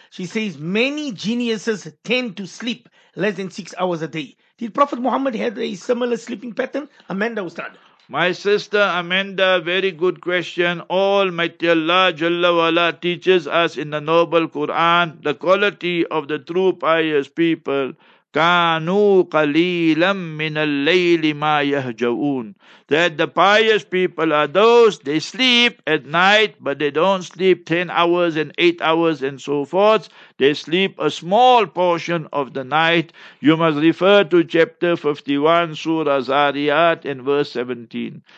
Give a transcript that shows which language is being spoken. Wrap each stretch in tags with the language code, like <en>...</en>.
<en>She says, many geniuses tend to sleep less than 6 hours a day. Did Prophet Muhammad have a similar sleeping pattern? Amanda, Ustad. My sister Amanda, very good question. Almighty Allah Jalla Wala teaches us in the noble Quran the quality of the true pious people.</en> <ar>كانوا قليلا من الليل ما يهجعون.</ar> <en>That the pious people are those, they sleep at night, but they don't sleep 10 hours and 8 hours and so forth. They sleep a small portion of the night. You must refer to chapter 51, Surah Zariyat, and verse 17.</en>